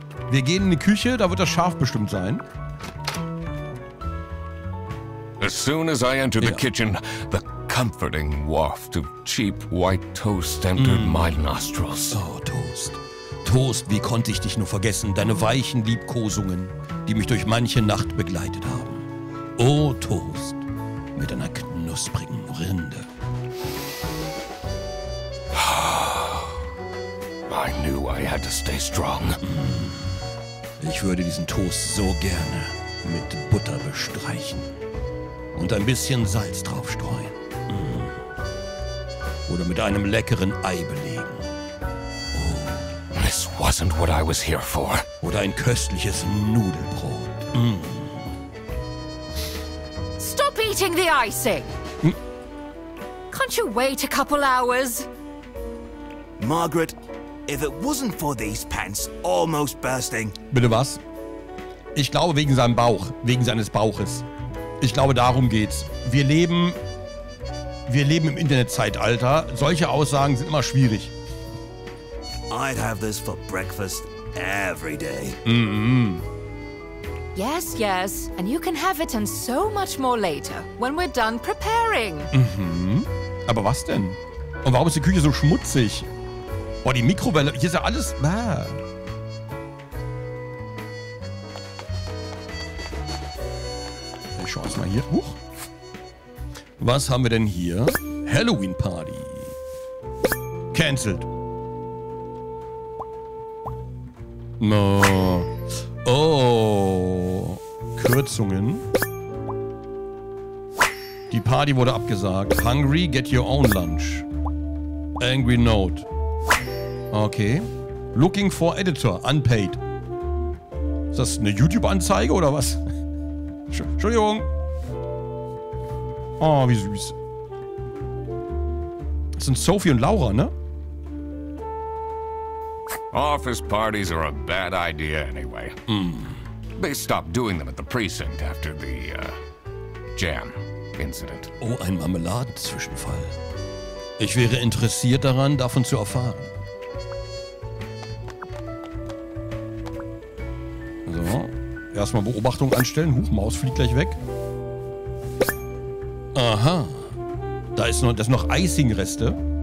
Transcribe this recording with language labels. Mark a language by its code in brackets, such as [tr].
[de] Wir gehen in die Küche, da wird das Schaf bestimmt sein. [en] As soon as I entered the kitchen, the comforting waft of cheap white toast entered my nostrils. [de] Oh, Toast. Toast, wie konnte ich dich nur vergessen? Deine weichen Liebkosungen, die mich durch manche Nacht begleitet haben. Oh, Toast. Mit einer knusprigen Rinde. [en] I knew I had to stay strong. [de] Ich würde diesen Toast so gerne mit Butter bestreichen. Und ein bisschen Salz draufstreuen. Oder mit einem leckeren Ei belegen. Oh. [en] This wasn't what I was here for. [de] Oder ein köstliches Nudelbrot. [en] Stop eating the icing! Can't you wait a couple hours? Margaret, if it wasn't for these pants almost bursting... [de] Bitte was? Ich glaube wegen seinem Bauch. Wegen seines Bauches. Ich glaube, darum geht's. Wir leben im Internetzeitalter. Solche Aussagen sind immer schwierig. [en] I'd have this for breakfast every day. Mm-hmm. Yes, yes. And you can have it and so much more later, when we're done preparing. [de] Mhm. Aber was denn? Und warum ist die Küche so schmutzig? Boah, die Mikrowelle, hier ist ja alles... Bäh. Schau erstmal hier. Huch. Was haben wir denn hier? Halloween Party. Cancelled. Oh. Oh. Kürzungen. Die Party wurde abgesagt. [en] Hungry, get your own lunch. Angry note. Okay. Looking for editor, unpaid. [de] Ist das eine YouTube-Anzeige oder was? Entschuldigung. Oh, wie süß. Das sind Sophie und Laura, ne? [en] Office parties are a bad idea anyway. They stopped doing them at the precinct after the, jam incident. [de] Oh, ein Marmeladenzwischenfall. Ich wäre interessiert daran, davon zu erfahren. So. Erstmal Beobachtung anstellen. Huch, Maus fliegt gleich weg. Aha. Da sind noch Icing-Reste.